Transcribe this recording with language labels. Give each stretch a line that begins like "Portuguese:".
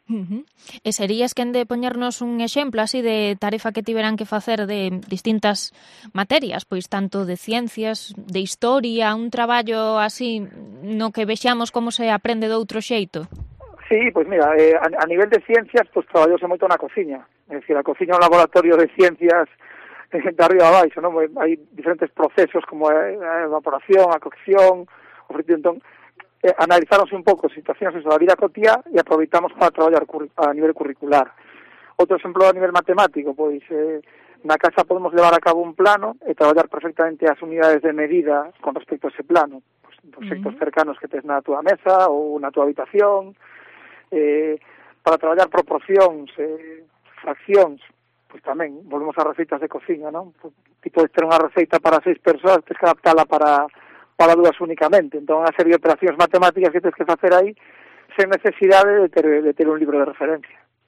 Galician: Uh-huh. E serías quen de poñernos un exemplo así de tarefa que tiveran que facer de distintas materias, pois tanto de ciencias, de historia, un traballo así no que vexamos como se aprende de outro xeito? Sí, pois mira, a nivel de ciencias, pois traballouse moito na cociña. É dicir, a cociña é un laboratorio de ciencias de arriba a baixo, non? Hai diferentes procesos como a evaporación, a cocción, o frito. Entón, analizáronse un pouco situacións da vida cotía e aproveitamos para traballar a nivel curricular. Outro exemplo a nivel matemático, pois na casa podemos levar a cabo un plano e traballar perfectamente as unidades de medida con respecto a ese plano. Pois, proxectos uh-huh. cercanos que tens na túa mesa ou na túa habitación. Para traballar proporcións, fraccións, pois tamén, volvemos a receitas de cociña, non? Tipo, de ter unha receita para 6 persoas, tens que adaptarla para 2 únicamente. Entón, unha serie de operacións matemáticas que tens que facer aí,
Spanish: sin necesidad de tener un libro de referencia.